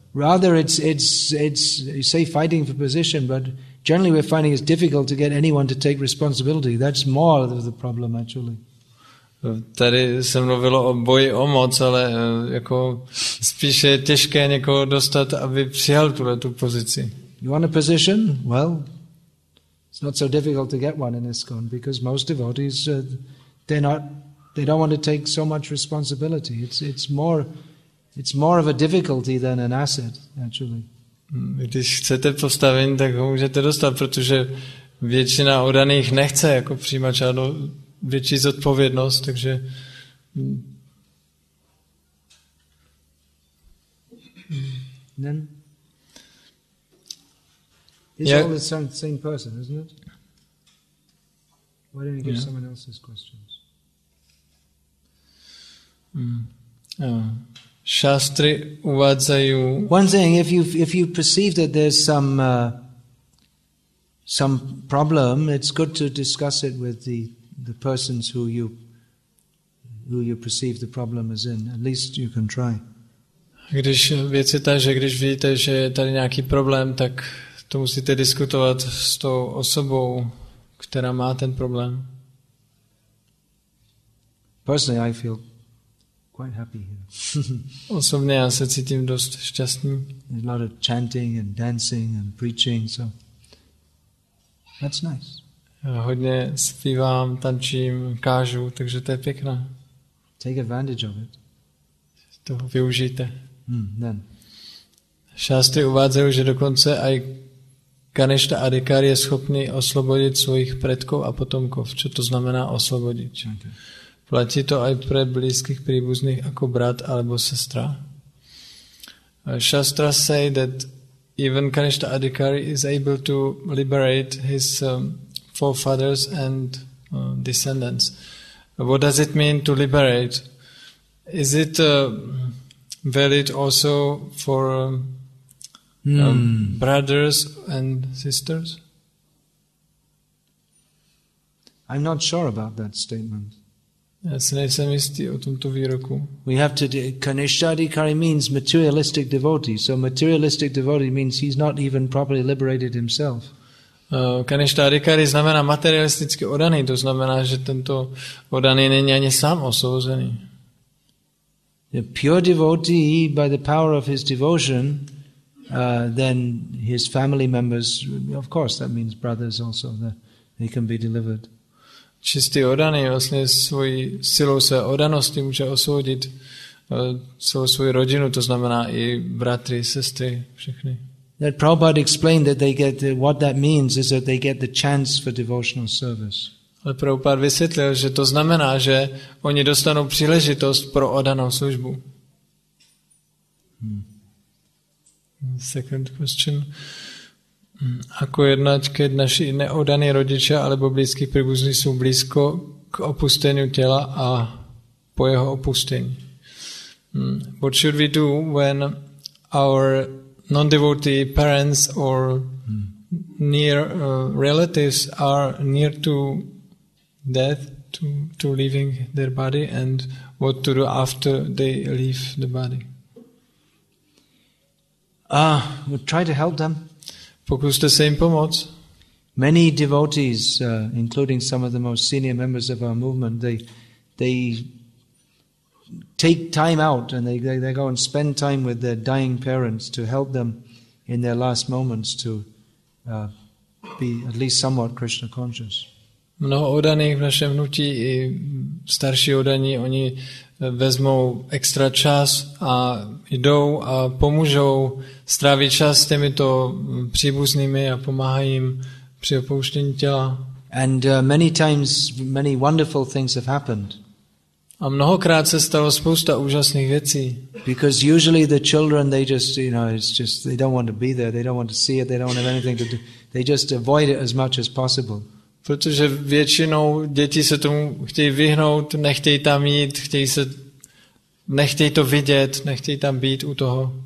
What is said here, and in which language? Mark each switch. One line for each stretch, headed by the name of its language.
English: Rather, it's you say fighting for position, but generally we're finding it's difficult to get anyone to take responsibility. That's more of the problem, actually.
Czech: Tady se mluvilo o boji o moc, ale jako spíše je těžké někoho dostat, aby přijal tuhle tu pozici.
English: You want a position? Well, it's not so difficult to get one in ISKCON because most devotees they don't want to take so much responsibility. It's more of a difficulty than an asset, actually.
Czech: Když chcete postavení, tak ho můžete dostat, protože většina oddaných nechce jako přijímat žádnou větší zodpovědnost, takže
English: then is all the same person, isn't it? Why don't you give someone else's questions?
Slovak: Šastry uvádzají.
English: One thing, if you perceive that there's some some problem, it's good to discuss it with the persons who you perceive the problem is in. At least you can try.
Czech: Když věc je ta, že když vidíte, že je tady nějaký problém, tak to musíte diskutovat s tou osobou, která má ten problém.
English: Personally, I feel quite happy here.
Czech: Osobně já se cítím dost šťastný.
English: There's a lot of chanting and dancing and preaching, so that's nice.
Czech: Já hodně zpívám, tančím, kážu, takže to je pěkné.
English: Take advantage of it.
Czech: To využijte.
English: Then.
Slovak: Šástry uvádzají, že dokonce aj Ganešta Adhikar je schopný oslobodit svojich predkov a potomkov. Čo to znamená oslobodit?
English: Okay.
Slovak: Platí to aj pre blízkych príbuzných ako brat alebo sestra?
English: Šástra say that even Ganešta Adhikar is able to liberate his forefathers and descendants. What does it mean to liberate? Is it valid also for brothers and sisters? I'm not sure about that statement.
Czech: Já si nejsem jistý o tomto výroku.
English: We have to Kaneshadikari means materialistic devotee. So materialistic devotee means he's not even properly liberated himself.
Czech: Kaneshadikari znamená materialisticky oddaný, to znamená, že tento oddaný není ani sám osvobozený.
English: A pure devotee by the power of his devotion then his family members, of course that means brothers also, that they can be delivered.
Czech: Čistý oddaný vlastně svojí silou své oddanosti může osvobodit celou svou rodinu, to znamená i bratry, sestry, všechny.
English: That Prabhupada explained that they get what that means is that they get the chance for devotional service.
Czech: Ale Prabhupada vysvětlil, že to znamená, že oni dostanou příležitost pro oddanou službu.
English: Second question.
Slovak: Ako jednat, keď naši neoddaní rodiče alebo blízky příbuzní jsou blízko k opustení těla a po jeho opustení?
English: What should we do when our non-devotee parents or near relatives are near to death, to leaving their body, and what to do after they leave the body? We'll try to help them.
Czech: Pokuste se jim pomoct.
English: Many devotees, including some of the most senior members of our movement, they take time out and they go and spend time with their dying parents to help them in their last moments to be at least somewhat Krishna conscious.
Czech: Mnoho oddaných v našem hnutí i starší oddaní, oni vezmou extra čas a jdou a pomůžou strávit čas s těmito příbuznými a pomáhají jim při opouštění těla.
English: And many times many wonderful things have happened.
Czech: A mnohokrát se stalo spousta úžasných věcí.
English: Because usually the children, they just, you know, it's just, they don't want to be there, they don't want to see it, they don't have anything to do. They just avoid it as much as possible.
Czech: Protože většinou děti se tomu chtějí vyhnout, nechtějí tam jít, nechtějí to vidět, nechtějí tam být u toho.